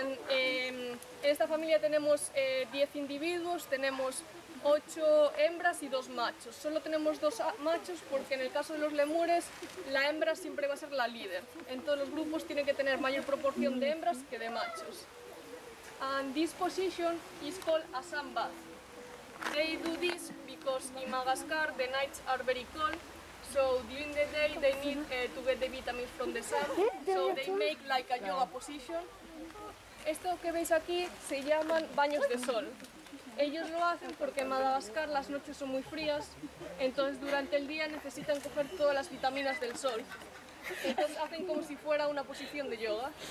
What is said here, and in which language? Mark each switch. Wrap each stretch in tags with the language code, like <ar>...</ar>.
<es>En esta familia tenemos 10 individuos, tenemos 8 hembras y 2 machos. Solo tenemos 2 machos porque en el caso de los lemures la hembra siempre va a ser la líder. En todos los grupos tienen que tener mayor proporción de hembras que de machos.</es> <en>And this position is called a sun bath. They do this because in Madagascar the nights are very cold. So during the day they need to get the vitamins from the sun, so they make like a yoga position.</en> <es>Esto que veis aquí se llaman baños de sol. Ellos lo hacen porque en Madagascar las noches son muy frías, entonces durante el día necesitan coger todas las vitaminas del sol. Entonces hacen como si fuera una posición de yoga.</es>